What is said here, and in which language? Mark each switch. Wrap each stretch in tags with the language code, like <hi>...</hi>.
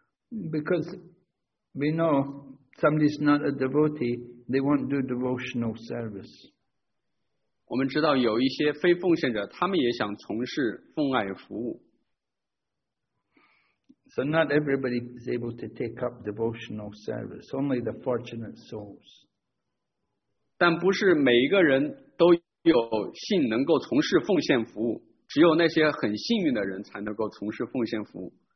<en>Because we know somebody's not a devotee, they won't do devotional service.</en> <zh>我们知道有一些非奉献者，他们也想从事奉爱服务。</zh> <en>So not everybody is able to take up devotional service, only the fortunate souls.</en> <zh>但不是每一个人都有幸能够从事奉献服务，只有那些很幸运的人才能够从事奉献服务。</zh>